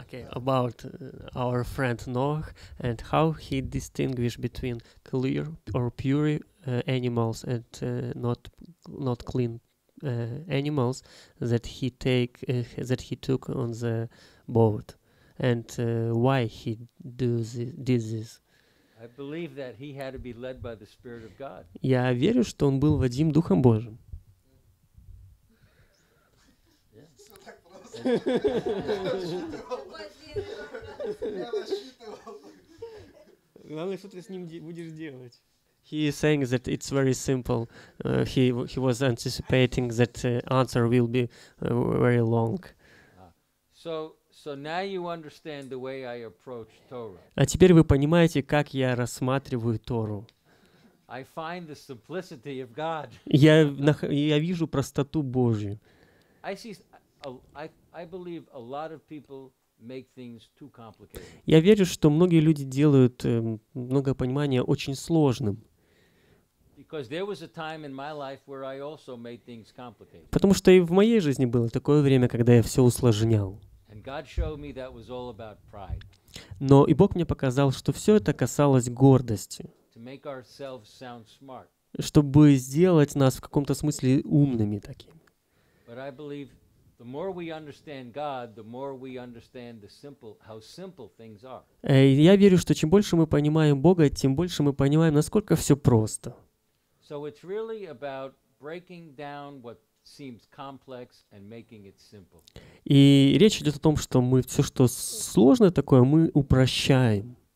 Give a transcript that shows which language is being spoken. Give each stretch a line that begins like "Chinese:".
English: Okay, about our friend Noah and how he distinguished between clear or pure animals and not clean animals that he take that he took on the boat, and why he did this. I believe that he had to be led by the Spirit of God.
Russian: Я верю, что он был водим Духом Божьим. Главное, что ты с ним будешь делать.
English: He is saying that it's very simple. He was anticipating that answer will be very long. So now you understand the way I approach Torah.
Russian: А теперь вы понимаете, как я рассматриваю Тору.
English: I find the simplicity of God.
Russian: Я вижу простоту Божью.
English: I believe a lot of people make things too complicated.
Russian: Я верю, что многие люди делают много понимания очень сложным.
English: Because there was a time in my life where I also made things complicated.
Russian: Потому что и в моей жизни было такое время, когда я все усложнял.
English: And God showed me that was all about pride.
Russian: Но и Бог мне показал, что все это касалось гордости.
English: To make ourselves sound smart.
Russian: Чтобы сделать нас в каком-то смысле умными такими.
English: But I believe the more we understand God, the more we understand the simple, how simple things are.
Russian: Я верю, что чем больше мы понимаем Бога, тем больше мы понимаем, насколько все просто.
English: So it's really about breaking down what seems complex and making it simple.
Russian: И речь идет о том, что мы все, что сложное такое, мы упрощаем.